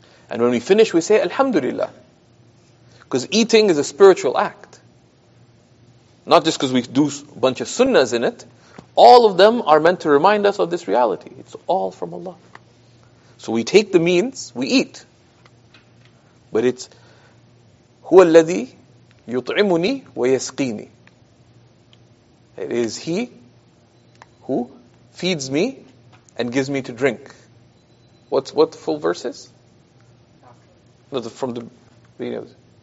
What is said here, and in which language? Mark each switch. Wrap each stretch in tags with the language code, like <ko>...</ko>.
<en>And when we finish, we say Alhamdulillah. Because eating is a spiritual act. Not just because we do a bunch of sunnahs in it. All of them are meant to remind us of this reality. It's all from Allah. So we take the means, we eat. But it's</en> <ar>هو الذي يطعمني ويسقيني.</ar> <en>It is He who feeds me and gives me to drink. What the full verse is? No, from the beginning of it.</en>